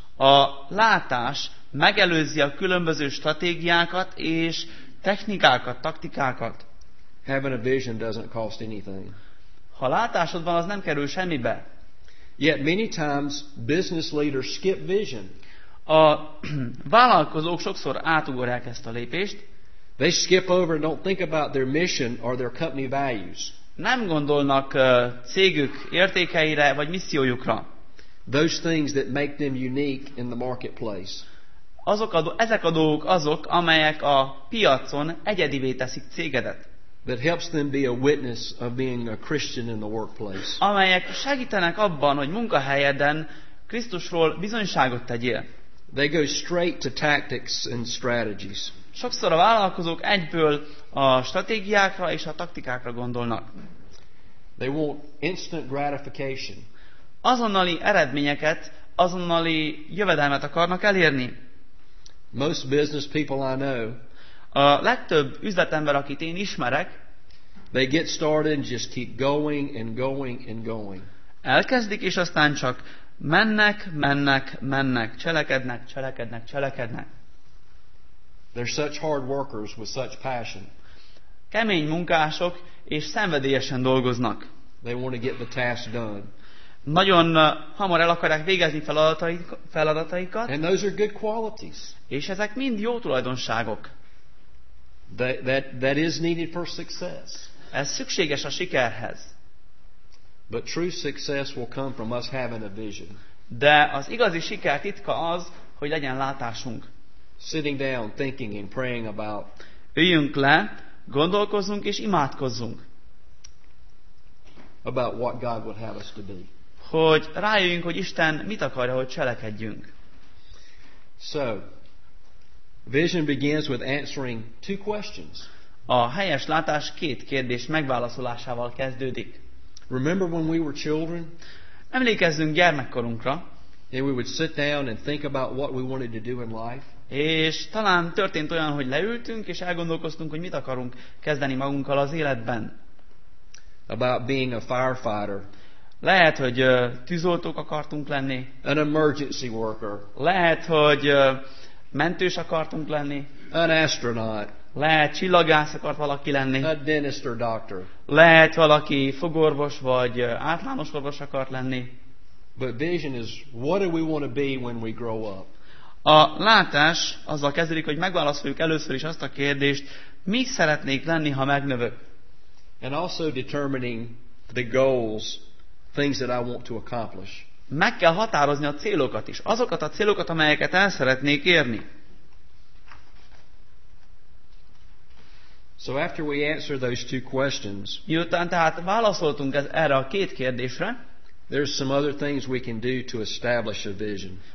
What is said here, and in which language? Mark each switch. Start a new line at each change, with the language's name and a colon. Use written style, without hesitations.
Hungarian: A látás megelőzi a különböző stratégiákat és technikákat, taktikákat.
English: Having a vision doesn't cost anything.
Hungarian: Ha látásod van, az nem kerül semmibe.
English: Yet many times business leaders skip vision.
Hungarian: A vállalkozók sokszor átugorják ezt a lépést.
English: They skip over and don't think about their mission or their company values.
Hungarian: Nem gondolnak cégük értékeire vagy missziójukra.
English: Those things that make them unique in the marketplace.
Hungarian: Ezek a dolgok azok, amelyek a piacon egyedivé teszik cégedet.
English: That helps them be a witness of being a Christian in the workplace.
Hungarian: Amelyek segítenek abban, hogy munkahelyeden Krisztusról bizonyságot tegyél.
English: They go straight to tactics and strategies.
Hungarian: Sokszor a vállalkozók egyből a stratégiákra és a taktikákra gondolnak.
English: They want instant gratification.
Hungarian: azonnali eredményeket, azonnali jövedelmet akarnak elérni.
English: Most business people I know,
Hungarian: a legtöbb üzletember, akit én ismerek,
English: they get started and just keep going and going and going.
Hungarian: Elkezdik, és aztán csak mennek, mennek, mennek, cselekednek, cselekednek, cselekednek.
English: They're such hard workers with such passion.
Hungarian: Kemény munkások, és szenvedélyesen dolgoznak.
English: They want to get the task done.
Hungarian: Nagyon hamar el akarják végezni feladataikat.
English: And those are good qualities.
Hungarian: És ezek mind jó tulajdonságok.
English: That is needed for success.
Hungarian: Ez szükséges a sikerhez.
English: But true success will come from us having a vision.
Hungarian: De az igazi siker titka az, hogy legyen látásunk.
English: Sitting down, thinking and praying about.
Hungarian: Üljünk le, gondolkozzunk és imádkozzunk.
English: About what God would have us to be.
Hungarian: Hogy rájöjjünk, hogy Isten mit akarja, hogy cselekedjünk.
English: So, vision begins with answering two questions.
Hungarian: A helyes látás két kérdés megválaszolásával kezdődik.
English: Remember when we were children?
Hungarian: Emlékezzünk gyermekkorunkra.
English: And we would sit down and think about what we wanted to do in life.
Hungarian: És talán történt olyan, hogy leültünk és elgondolkoztunk, hogy mit akarunk kezdeni magunkkal az életben.
English: About being a firefighter.
Hungarian: Lehet, hogy tűzoltók akartunk lenni.
English: An emergency worker.
Hungarian: Lehet, hogy mentős akartunk lenni.
English: An astronaut.
Hungarian: Lehet, csillagász akart valaki lenni.
English: A dentist or doctor.
Hungarian: Lehet, valaki fogorvos vagy általános orvos akart lenni.
English: But vision is, what do we want to be when we grow up?
Hungarian: A látás azzal kezdődik, hogy megválaszoljuk először is azt a kérdést, mi szeretnék lenni, ha megnövök.
English: And also determining the goals, things that I want to accomplish.
Hungarian: Meg kell határozni a célokat is, azokat a célokat, amelyeket el szeretnék érni.
English: So after we answer those two questions,
Hungarian: miután tehát válaszoltunk erre a két kérdésre,
English: there's some other things we can do to establish a vision.